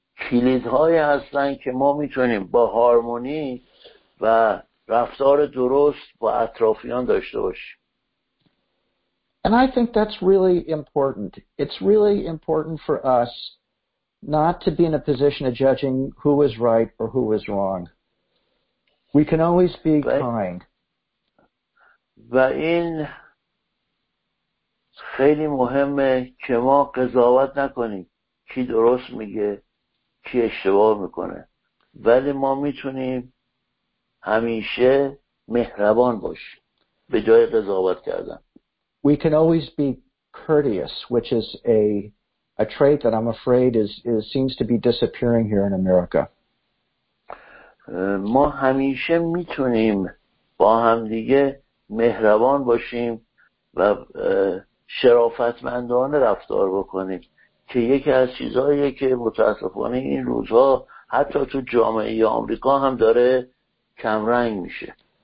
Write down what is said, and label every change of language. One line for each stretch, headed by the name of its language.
Persian: کلیدهایی هستند که ما میتونیم با هارمونی و رفتار درست با اطرافیان داشته باشیم.
English: And I think that's really important. It's really important for us not to be in a position of judging who is right or who is wrong. We can always be kind.
Persian: و این خیلی مهمه که ما قضاوت نکنیم کی درست میگه کی اشتباه میکنه، ولی ما میتونیم همیشه مهربان باشیم به جای قضاوت کردن.
English: We can always be courteous, which is a trait that I'm afraid is seems to be disappearing here in America.
Persian: ما همیشه میتونیم با هم دیگه مهربان باشیم و شرافتمندانه رفتار بکنیم که یکی از چیزهایی که متاسفانه این روزها حتی تو جامعه آمریکا هم داره کمرنگ میشه.